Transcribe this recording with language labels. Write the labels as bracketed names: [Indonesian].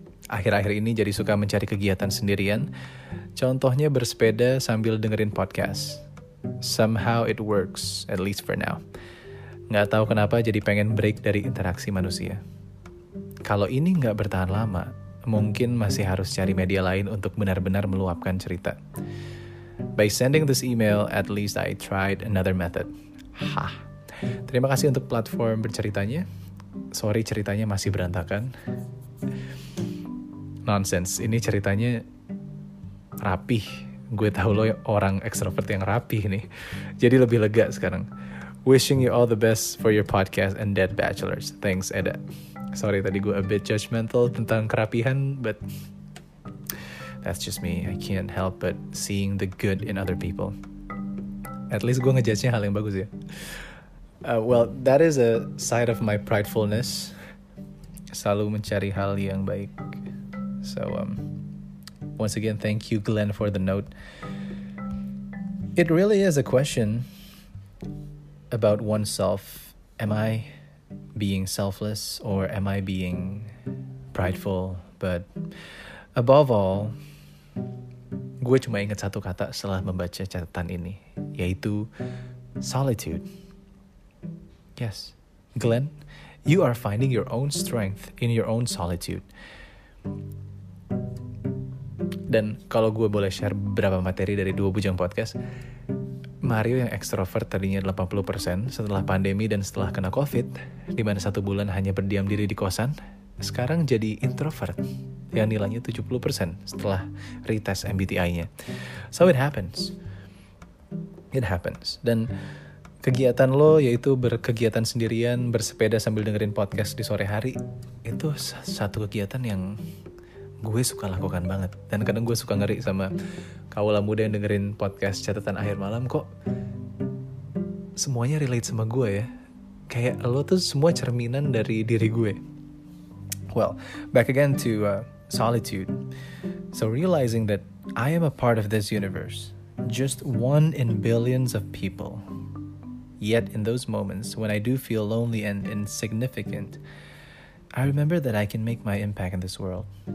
[Indonesian] Akhir-akhir ini jadi suka mencari kegiatan sendirian. Contohnya bersepeda sambil dengerin podcast. [English] Somehow it works, at least for now. [Indonesian] Gak tahu kenapa jadi pengen break dari interaksi manusia. Kalau ini gak bertahan lama, mungkin masih harus cari media lain untuk benar-benar meluapkan cerita. [English] By sending this email, at least I tried another method. Hah. [Indonesian] Terima kasih untuk platform berceritanya. Sorry ceritanya masih berantakan. [English] Nonsense, [Indonesian] ini ceritanya rapih. Gue tahu lo orang ekstrovert yang rapih nih. Jadi lebih lega sekarang. [English] Wishing you all the best for your podcast and Dead Bachelors. Thanks, Eda. Sorry, [Indonesian] tadi gue [English] a bit judgmental [Indonesian] tentang kerapihan, [English] but that's just me. I can't help but seeing the good in other people. At least [Indonesian] gue ngejudge-nya hal yang bagus ya. [English] Well, that is a side of my pridefulness. [Indonesian] Selalu mencari hal yang baik. [English] So, once again, thank you, Glenn, for the note. It really is a question about oneself. Am I being selfless or am I being prideful? But above all, [Indonesian] gue cuma ingat satu kata setelah membaca catatan ini, yaitu solitude. [English] Yes, Glenn, you are finding your own strength in your own solitude. [Indonesian] Dan kalau gue boleh share beberapa materi dari dua bujang podcast, Mario yang ekstrovert tadinya 80% setelah pandemi dan setelah kena COVID, di mana satu bulan hanya berdiam diri di kosan, sekarang jadi introvert yang nilainya 70% setelah retest MBTI-nya. [English] So it happens. It happens. [Indonesian] Dan kegiatan lo yaitu berkegiatan sendirian, bersepeda sambil dengerin podcast di sore hari, itu satu kegiatan yang gue suka lakukan banget. Dan kadang gue suka ngeri sama kawula muda yang dengerin podcast catatan akhir malam, kok semuanya relate sama gue ya. Kayak lo tuh semua cerminan dari diri gue. [English] Well, back again to solitude. So realizing that I am a part of this universe, just one in billions of people. Yet in those moments when I do feel lonely and insignificant, I remember that I can make my impact in this world.